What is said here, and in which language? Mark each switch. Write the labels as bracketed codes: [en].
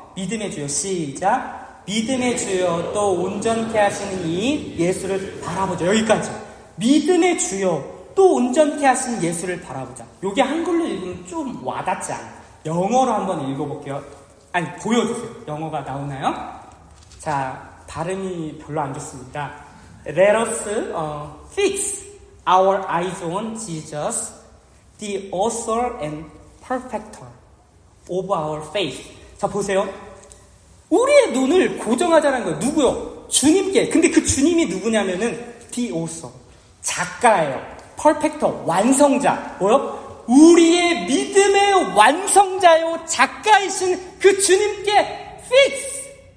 [ko] 믿음의 주여 시작. 믿음의 주여 또 온전케 하시는 이 예수를 바라보자. 여기까지. 믿음의 주여 또 온전케 하시는 예수를 바라보자. 이게 한글로 읽으면 좀 와닿지 않아. 영어로 한번 읽어볼게요. 아니 보여주세요. 영어가 나오나요? 자, 발음이 별로 안 좋습니다. [en] Let us fix our eyes on Jesus, the author and perfecter of our faith. [ko] 자, 보세요. 우리의 눈을 고정하자는 거예요. 누구요? 주님께. 근데 그 주님이 누구냐면은 the author, 작가예요. perfecter, 완성자. 뭐요? 우리의 믿음의 완성자요, 작가이신 그 주님께 fix.